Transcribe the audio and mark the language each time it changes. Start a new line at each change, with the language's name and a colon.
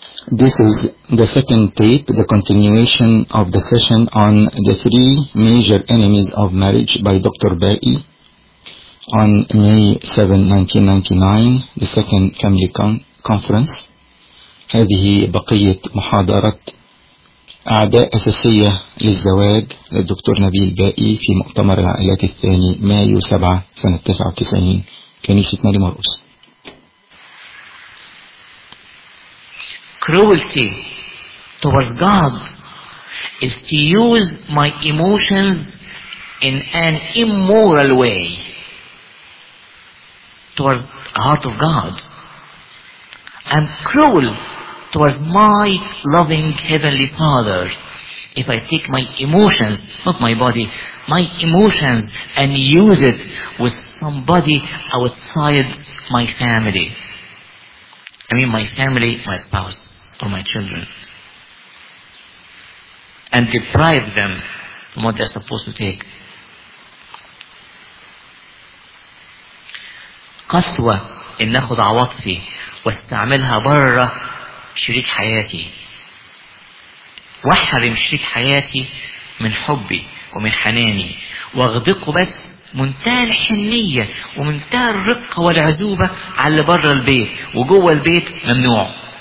English: This is the second tape, the continuation of the session on the three major enemies of marriage by Dr. Ba'i on May 7, 1999, the second family conference.
Arabic: هذه بقية محاضرة أعداء أساسية للزواج للدكتور نبيل باقي في مؤتمر العائلات الثاني مايو 7 سنة 1999 كنيسة نادي مرقس.
English: Cruelty towards God is to use my emotions in an immoral way towards the heart of God. I'm cruel towards my loving Heavenly Father if I take my emotions, not my body, my emotions and use it with somebody outside my family. I mean my family, my spouse, or my children, and deprive them from what they're supposed to take.
Arabic: قسوة إن ناخد عواطفي واستعملها برة شريك حياتي واحرم شريك حياتي من حبي ومن حناني واغدقه بس منتهى الحنية ومنتهى الرقة والعزوبة على اللي بره البيت وجوه البيت ممنوع.